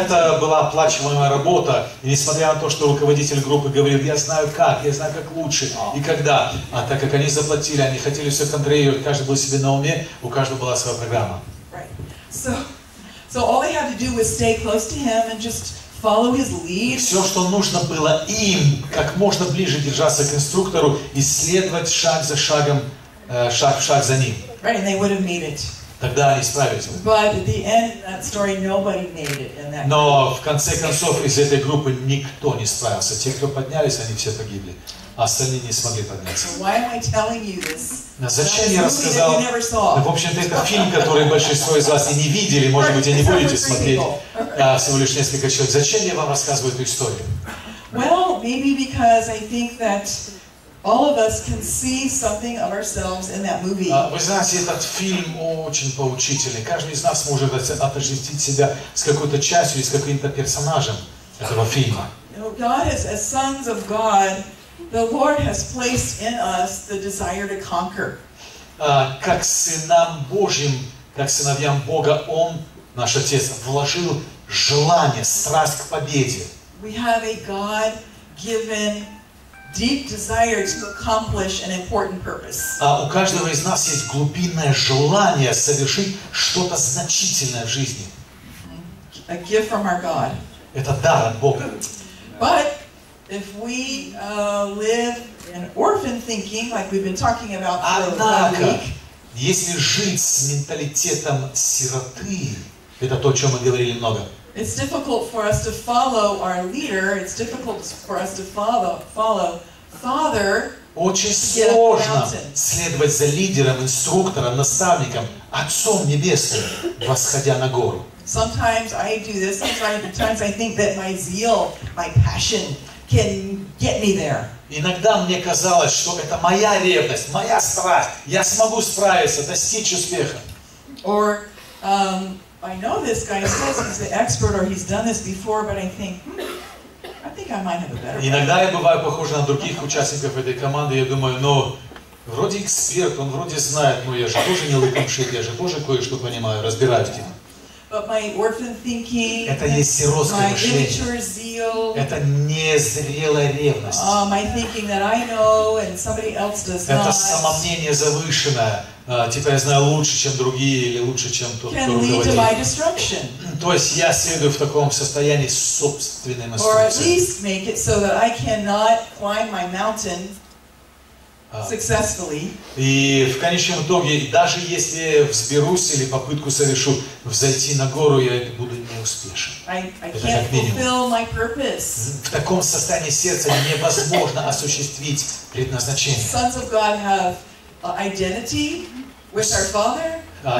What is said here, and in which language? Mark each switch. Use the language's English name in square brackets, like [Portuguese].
[Russian] Это была оплачиваемая работа, и несмотря на то, что руководитель группы говорил, я знаю как лучше и когда, а так как они заплатили, они хотели все контролировать, каждый был себе на уме, у каждого была своя программа. [English] Right. So all they had to do was stay close to him and just follow his lead. [Russian] Все, что нужно было им, как можно ближе держаться к инструктору, исследовать шаг за шагом, шаг в шаг за ним. [English] Right, and they would have made it. [Russian] Тогда они справились. [English] But at the end of that story, nobody made it in that group. [Russian] Но в конце концов из этой группы никто не справился. Те, кто поднялись, они все погибли. Остальные не смогли подняться. [English] Why am I telling you this? [Russian] Зачем я рассказал? Да, в общем-то, это фильм, который большинство из вас и не видели, может быть, и не будете смотреть, всего лишь несколько человек. Зачем я вам рассказываю эту историю? [English] Well, maybe because I think that all of us can see something of ourselves in that movie. [Russian] Вы знаете, этот фильм очень поучительный. Каждый из нас может отождествить себя с какой-то частью или с каким-то персонажем этого фильма. [English] God is as sons of God. The Lord has placed in us the desire to conquer. [Russian] Как сынам Божьим, как сыновьям Бога, Он, наш Отец, вложил желание, страсть к победе. [English] We have a God-given deep desire to accomplish an important purpose. [Russian] У каждого из нас есть глубинное желание совершить что-то значительное в жизни. [English] A gift from our God. [Russian] Это дар от Бога. [English] But if we live an orphan thinking, like we've been talking about for a week, [Russian] если жить с менталитетом сироты, это то, о чем мы говорили много. [English] It's difficult for us to follow our leader. It's difficult for us to follow Father. [Russian] Очень сложно следовать за лидером, инструктором, наставником, Отцом Небесным, восходя на гору. [English] Sometimes I do this. Sometimes I think that my zeal, my passion, can get me there. [Russian] Иногда мне казалось, что это моя ревность, моя страсть. Я смогу справиться, достичь успеха. [English] Or I know this guy says he's the expert or he's done this before, but I think I might have a better plan. [Russian] Иногда я бываю похож на других участников этой команды. Я думаю, ну, вроде эксперт, он вроде знает, но я же тоже не лыком шит, я же тоже кое-что понимаю, разбираюсь в нем. [English] But my orphan thinking, [Russian] это есть сиротское мышление, [English] immature zeal, [Russian] это незрелая ревность. [English] My thinking that I know and somebody else does not. [Russian] Это самомнение завышенное. Типа я знаю лучше, чем другие, или лучше, чем тот, кто руководит. То есть я следую в таком состоянии собственной мастерства. И в конечном итоге, даже если взберусь или попытку совершу взойти на гору, я буду неуспешен. В таком состоянии сердца невозможно осуществить предназначение. [English] Sons of God have identity with our Father.